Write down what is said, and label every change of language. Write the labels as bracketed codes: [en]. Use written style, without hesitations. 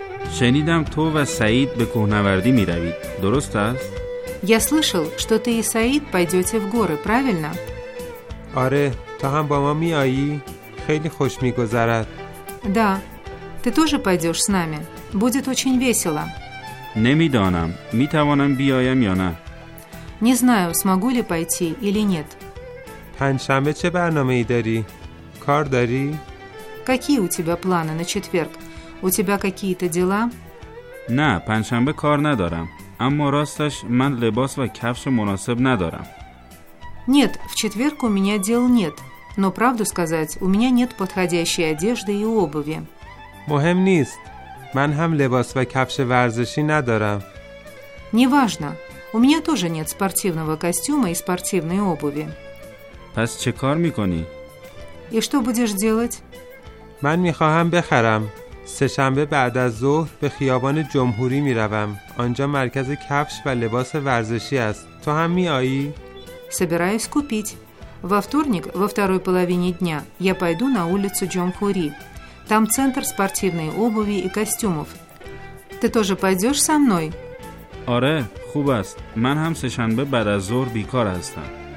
[fa] شنیدم تو و سعید به کوهنوردی می روید. درست است؟ [ru] Я слышал, что ты и Саид пойдете в горы, правильно? [fa] آره، تو هم با ما می آیی؟ خیلی خوش می گذرد. [ru] Да, ты тоже пойдешь с нами. Будет очень весело. [fa] نمی دانم، می توانم بیایم یا نه؟ [ru] Не знаю, смогу ли пойти или нет. [fa] پنج شنبه چه برنامه ای داری؟ کار داری؟ [ru] Какие у тебя планы на четверг? У тебя какие-то дела? [fa] نه، پنجشنبه کار ندارم. اما راستش من لباس و کفش مناسب ندارم. [ru] Нет, в четверг у меня дел нет. Но правду сказать, у меня нет подходящей одежды и обуви. [fa] مهم نیست. من هم لباس و کفش ورزشی ندارم. [ru] Неважно. У меня тоже нет спортивного костюма и спортивной обуви. [fa] پس چه کار می‌کنی؟ [ru] И что будешь делать? [fa] من می‌خواهم بخرم. سه‌شنبه بعد از ظهر به خیابان جمهوری می‌روم. آنجا مرکز کفش و لباس ورزشی است. تو هم می‌آیی؟ [ru] Собираюсь купить. Во вторник, во второй половине дня, я пойду на улицу Джомхури. Там центр спортивной обуви и костюмов. Ты тоже пойдешь со мной? [tg] Аре, хубаст. Ман хам сешанбе бад аз зор бикар астам.